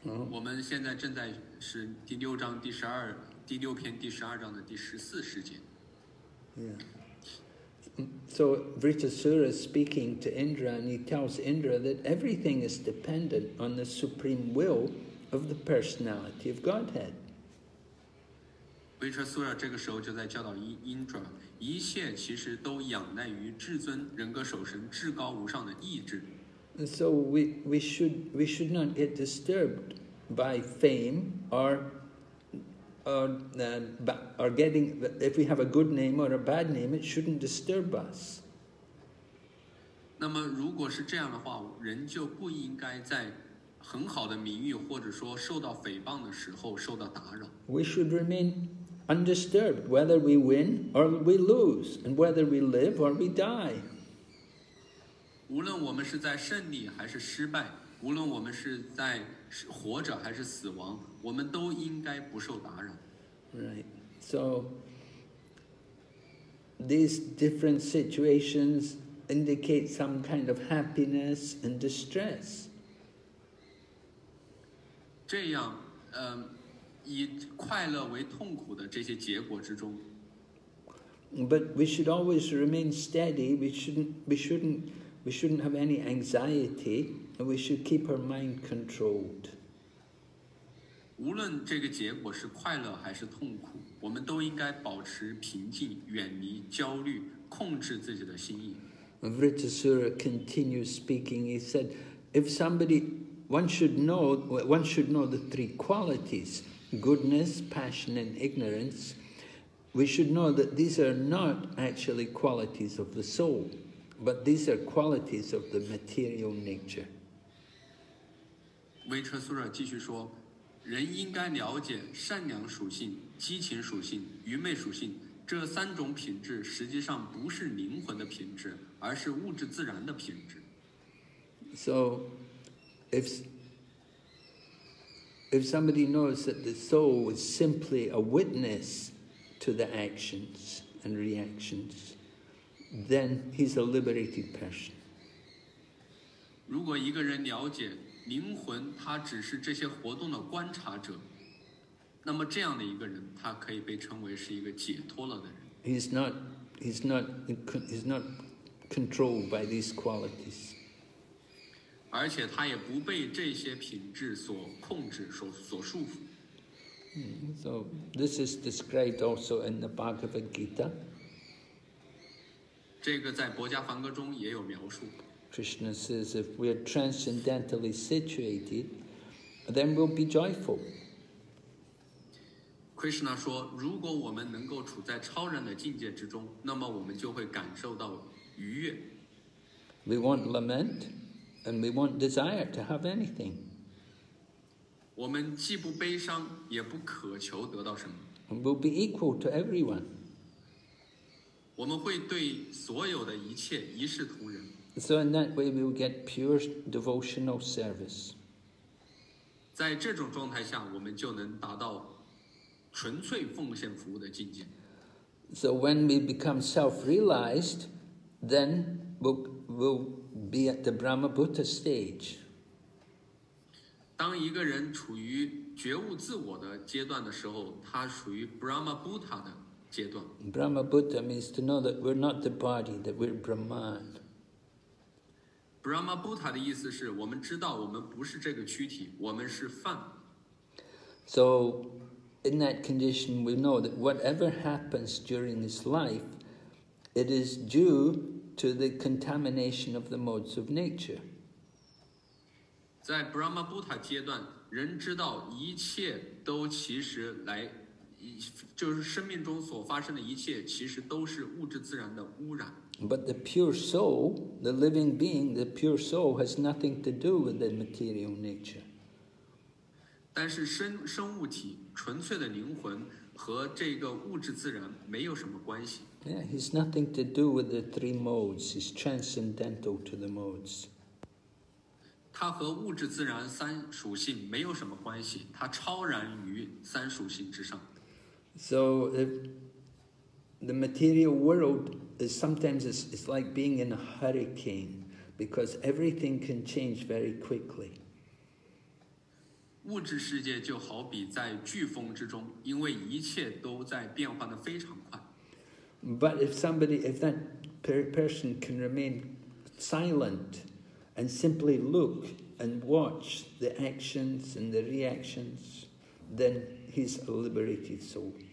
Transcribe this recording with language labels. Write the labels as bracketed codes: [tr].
[zh] 我们现在正在是第六章第十二第六篇第十二章的第十四十节。 [en] Yeah. So Vritasura is speaking to Indra, and he tells Indra that everything is dependent on the supreme will of the personality of Godhead. [zh] Vritasura 这个时候就在教导 Indra， 一切其实都仰赖于至尊人格守神至高无上的意志。 [en] And so we should not get disturbed by fame or getting, if we have a good name or a bad name, it shouldn't disturb us. [zh] 那么如果是这样的话，人就不应该在很好的名誉或者说受到诽谤的时候受到打扰。 [en] We should remain undisturbed, whether we win or we lose, and whether we live or we die. [zh] 无论我们是在胜利还是失败，无论我们是在活着还是死亡，我们都应该不受打扰。 [en] Right. So these different situations indicate some kind of happiness and distress. [zh] 这样，以快乐为痛苦的这些结果之中。 [en] But we should always remain steady. We shouldn't have any anxiety, and we should keep our mind controlled. [zh] 无论这个结果是快乐还是痛苦，我们都应该保持平静，远离焦虑，控制自己的心意。 [en] Vritasura continues speaking. He said, one should know the three qualities: goodness, passion, and ignorance. We should know that these are not actually qualities of the soul, but these are qualities of the material nature. [zh] Vritasura 继续说。人应该了解善良属性、激情属性、愚昧属性，这三种品质实际上不是灵魂的品质，而是物质自然的品质。 [en] So, if somebody knows that the soul is simply a witness to the actions and reactions, then he's a liberated person. [zh] 如果一个人了解灵魂他只是这些活动的观察者，那么这样的一个人，他可以被称为是一个解脱了的人。 [en] He's not controlled by these qualities. [zh] 而且他也不被这些品质所控制、所束缚。 [en] So this is described also in the Bhagavad Gita. [zh] 这个在博迦梵歌中也有描述。 [en] Krishna says, if we are transcendentally situated, then we'll be joyful. [zh] Krishna 说，如果我们能够处在超然的境界之中，那么我们就会感受到愉悦。 [en] We won't lament, and we won't desire to have anything. [zh] 我们既不悲伤，也不渴求得到什么。 [en] We'll be equal to everyone. [zh] 我们会对所有的一切一视同仁。 [en] So in that way, we will get pure devotional service. [zh] 在这种状态下，我们就能达到纯粹奉献服务的境界。 [en] So when we become self-realized, then we'll be at the Brahma-Buddha stage. [zh] 当一个人处于觉悟自我的阶段的时候，他属于 Brahma-Buddha 的阶段。 [en] Brahma-Buddha means to know that we're not the body, that we're Brahman. [zh] Brahma Buddha 的意思是我们知道我们不是这个躯体，我们是梵。 [en] So, in that condition, we know that whatever happens during this life, it is due to the contamination of the modes of nature. [zh] 在 Brahma Buddha 阶段，人知道一切都其实来，就是生命中所发生的一切，其实都是物质自然的污染。 [en] But the pure soul, the living being, the pure soul has nothing to do with the material nature. [zh] 但是生物体纯粹的灵魂和这个物质自然没有什么关系。 [en] Yeah, he's nothing to do with the three modes. He's transcendental to the modes. [zh] 他和物质自然三属性没有什么关系，他超然于三属性之上。 [en] So the material world. Sometimes it's like being in a hurricane because everything can change very quickly. [zh] 物质世界就好比在飓风之中，因为一切都在变化得非常快。 [en] But if that person can remain silent and simply look and watch the actions and the reactions, then he's a liberated soul.